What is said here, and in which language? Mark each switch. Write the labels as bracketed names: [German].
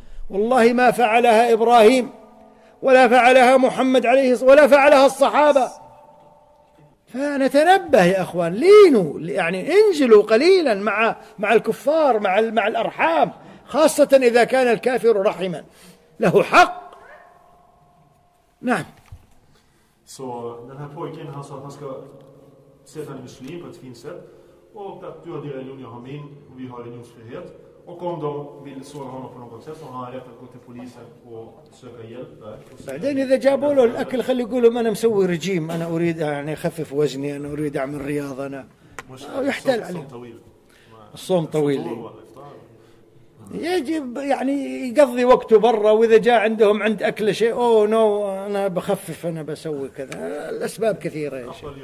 [Arabic] والله ما فعلها إبراهيم ولا فعلها محمد عليه الصلاة ولا فعلها الصحابة، فنتنبه يا أخوان، لينوا يعني انزلوا قليلا مع الكفار، مع الأرحام، خاصة إذا كان الكافر رحما له حق. نعم. [Swedish] Så den här pojken han sa att han ska sätta en muslim på ett fint sätt och att du har din religion, jag har min och vi har religionsfrihet. Och om de vill såra honom på något sätt så har han rätt att gå till polisen och söka hjälp där. [Arabic] بعدين إذا جابوا له الأكل خلي يقولوا أنا مسوي رجيم، أنا أريد يعني أخفف وزني، أنا أريد أعمل رياضة، أنا يحتل عليه الصوم طويل. يجب يعني يقضي وقته برا، وإذا جاء عندهم عند أكل شيء [English] oh no [Arabic] أنا بخفف أنا بسوي كذا، الأسباب كثيرة.